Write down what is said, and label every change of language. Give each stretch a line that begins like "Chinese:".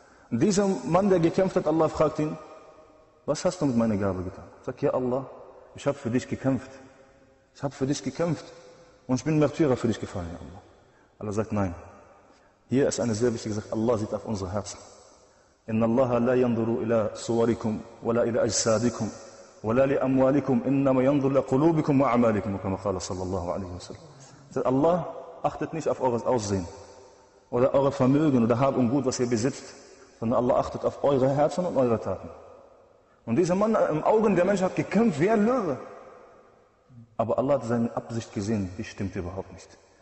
German: Und dieser Mann, der gekämpft hat, Allah fragt ihn, was hast du mit meiner Gabe getan? Sag, ja Allah, ich habe für dich gekämpft. Ich habe für dich gekämpft. Und ich bin Märtyrer für dich gefallen, ja Allah. Allah sagt, nein. Hier ist eine sehr wichtige Sache. Allah sieht auf unsere Herzen.
Arabic: إن الله لا ينظر إلى صوركم ولا إلى أجسادكم ولا لأموالكم إنما ينظر لقلوبكم وأعمالكم كما قال صلى الله عليه وسلم.
German: الله achtet nicht auf eures Aussehen oder eure Vermögen oder Hab und Gut, was ihr besitzt, sondern Allah achtet auf eure Herzen und eure Taten. Und dieser Mann im Augen der Menschen hat gekämpft wie ein Löwe. Aber Allah hat seine Absicht gesehen, die stimmt überhaupt nicht.